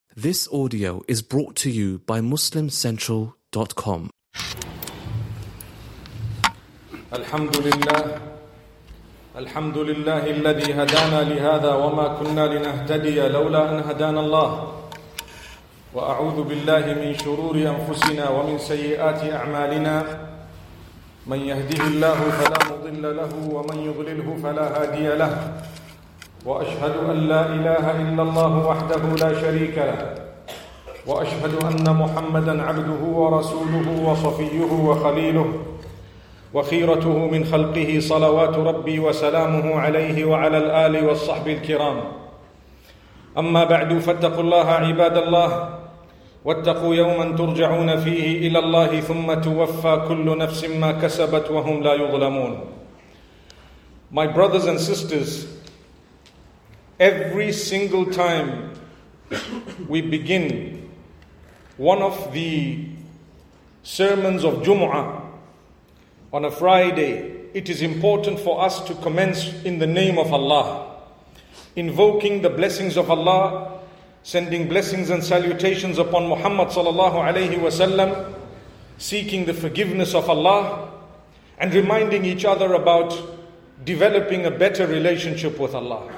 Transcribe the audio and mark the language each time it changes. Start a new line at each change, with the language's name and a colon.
English: This audio is brought to you by MuslimCentral.com.
Arabic: Alhamdulillah. Alhamdulillah الذي هدانا لهذا وما كنا لنهتدي لولا أن هدانا الله. وأعوذ بالله من شرور أنفسنا ومن سيئات أعمالنا. من يهده الله فلا مضل له ومن يضلله فلا هادي له. وأشهد أن لا إله إلا الله وحده لا شريك له. وأشهد أن محمدًا عبده ورسوله وصفيه وخليله وخيرته من خلقه صلوات ربي وسلامه عليه وعلى الآل والصحب الكرام. أما بعد، فاتقوا الله عباد الله، واتقوا يومًا ترجعون فيه إلى الله، ثم توفى كل نفس ما كسبت وهم لا يظلمون.
English: My brothers and sisters, every single time we begin one of the sermons of Jumu'ah on a Friday, it is important for us to commence in the name of Allah, invoking the blessings of Allah, sending blessings and salutations upon Muhammad sallallahu alayhi wa sallam, seeking the forgiveness of Allah, and reminding each other about developing a better relationship with Allah.